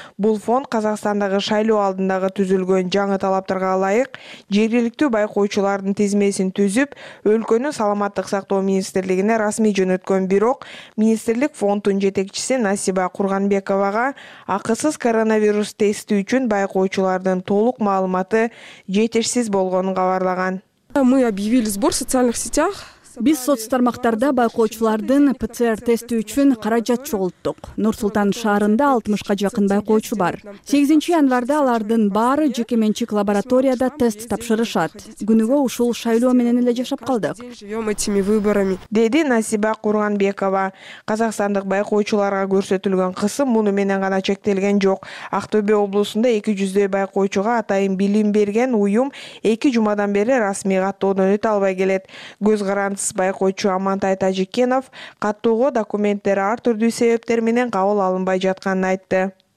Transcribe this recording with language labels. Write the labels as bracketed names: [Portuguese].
[Kyrgyz] Бул фонд Казакстандагы шайлоо алдындагы түзүлгөн жаңы талаптарга ылайык жергиликтүү байкоочулардын тизмесин түзүп, өлкөнүн саламаттык сактоо министрлигине расмий жөнөткөн. Бирок министрлик фонддун жетекчиси Насиба Курганбековага акысыз коронавирус тести үчүн байкоочулардын толук маалыматы жетишсиз болгонун кабарлаган. [Russian] Мы объявили сбор в социальных сетях. [Kyrgyz] Биз соцтармактарда байкоочулардын ПЦР тести үчүн каражат чогултук. Нур-Султан шаарында 60 жакын байкоочу бар. 8 январда алардын баары жеке менчик лабораторияда тест тапшырышат. Күнүгө ушул шайлоо менен эле жашап калдык. Деди Насиба Курганбекова. Казакстандык байкоочуларга көрсөтүлгөн кысым муну менен гана чектелген жок. Актобе облусунда 200 байкоочуга атайын билим берген уюм 2 жумадан бери расмий каттоодон өтө албай келет. Көз каранды байкоочу Амантай Тажикенов каттоого документтери ар түрдүү себептер менен кабыл алынбай жатканын айтты.